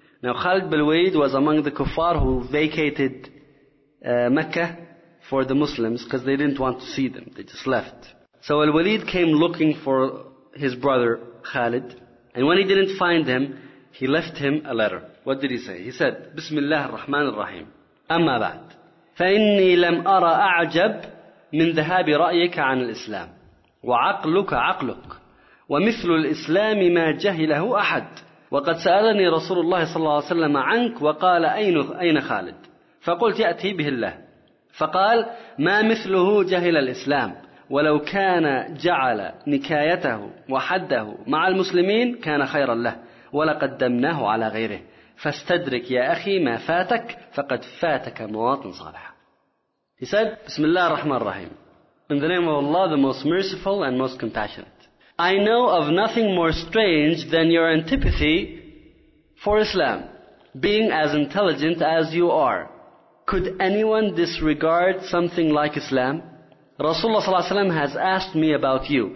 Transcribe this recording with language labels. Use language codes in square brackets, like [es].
[en] Now Khalid bin Walid was among the kuffar who vacated Mecca for the Muslims because they didn't want to see them. They just left. So al-Walid came looking for his brother Khalid, and when he didn't find him, he left him a letter. What did he say? He said, [ar] بسم الله الرحمن الرحيم أما بعد فإني لم أرى أعجب من ذهاب رأيك عن الإسلام وعقلك عقلك ومثل الإسلام ما جهله أحد وقد سألني رسول الله صلى الله عليه وسلم عنك وقال أين خالد فقلت يأتي به الله فقال ما مثله جهل الإسلام ولو كان جعل نكايته وحده مع المسلمين كان خيرا له ولقد دمناه على غيره فاستدرك يا أخي ما فاتك فقد فاتك مواطن صالح. [en] He said, [ar] بسم الله الرحمن الرحيم. [en] In the name of Allah, the most merciful and most compassionate. I know of nothing more strange than your antipathy for Islam, being as intelligent as you are. Could anyone disregard something like Islam? Rasulullah صلى الله عليه وسلم has asked me about you.